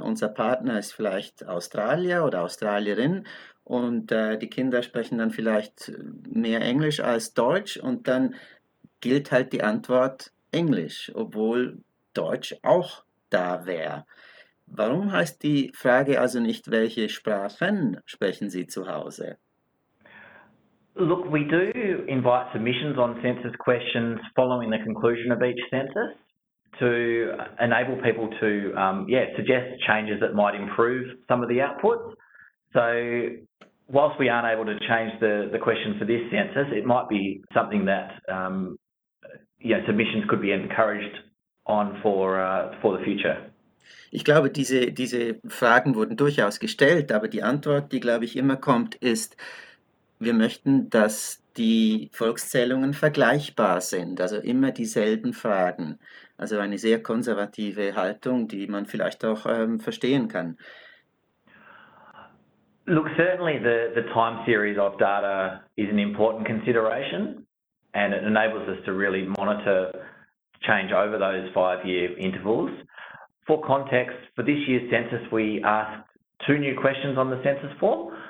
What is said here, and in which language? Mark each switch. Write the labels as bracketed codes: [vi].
[de] Unser Partner ist vielleicht Australier oder Australierin und die Kinder sprechen dann vielleicht mehr Englisch als Deutsch, und dann gilt halt die Antwort Englisch, obwohl Deutsch auch da wäre. Warum heißt die Frage also nicht, welche Sprachen sprechen Sie zu Hause? [en] Look, we do invite submissions on census questions following the conclusion of each census to enable people to suggest changes that might improve some of the outputs. So whilst we aren't able to change the question for this census, it might be something that submissions could be encouraged on for the future. [de] Ich glaube, diese Fragen wurden durchaus gestellt, aber die Antwort, die, glaube ich, immer kommt, ist: Wir möchten, dass die Volkszählungen vergleichbar sind, also immer dieselben Fragen. Also eine sehr konservative Haltung, die man vielleicht auch verstehen kann. [en] Look, certainly the time series of data is an important consideration, and it enables us to really monitor change over those 5-year intervals. For context, for this year's census, we asked 2 new questions on the census form.